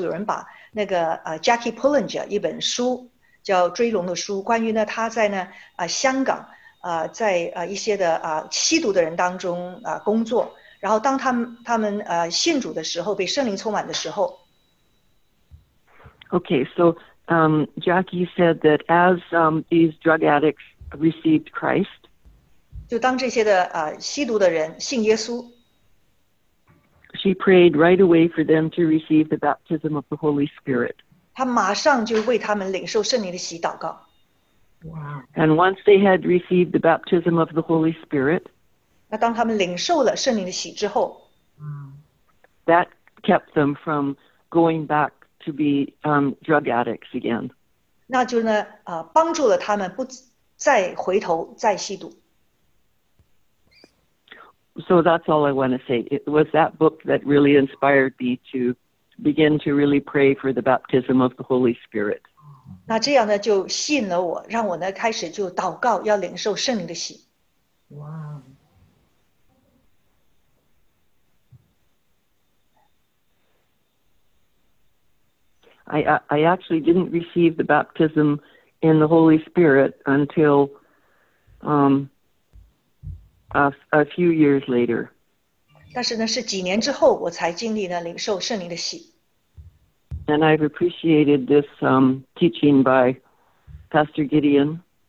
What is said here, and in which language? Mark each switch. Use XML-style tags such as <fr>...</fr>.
<zh>是，就是呢，我开始对圣灵的喜有兴趣呢，是当我跟那个非洲的歌唱的儿童出去的时候，他们有一个团队出去的时候，有人把那个Jackie Pullinger一本书，叫《追龙的书》，关于呢他在呢香港在一些的吸毒的人当中工作。然后当他们信主的时候，被圣灵充满的时候</zh> <en>，Okay, so Jackie said that as these drug addicts received Christ,</en> <zh>就当这些的吸毒的人信耶稣</zh> <en>，she prayed right away for them to receive the baptism of the Holy Spirit.</en> <zh>她马上就为他们领受圣灵的洗祷告。</zh> <en>Wow. And once they had received the baptism of the Holy Spirit.</en> <zh>那当他们领受了圣灵的洗之后,</zh> <en>that kept them from going back to be drug addicts again.</en> <zh>那就呢, 帮助了他们不再回头再吸毒。</zh> <en>So that's all I want to say. It was that book that really inspired me to begin to really pray for the baptism of the Holy Spirit.</en> <zh>那这样呢, 就吸引了我, 让我呢, 开始就祷告, 要领受圣灵的洗。</zh> <en>Wow. I actually didn't receive the baptism in the Holy Spirit until a few years later.</en> <zh>但是呢，是几年之后我才经历呢领受圣灵的洗。</zh> <en>And I've appreciated this teaching by Pastor Gideon.</en>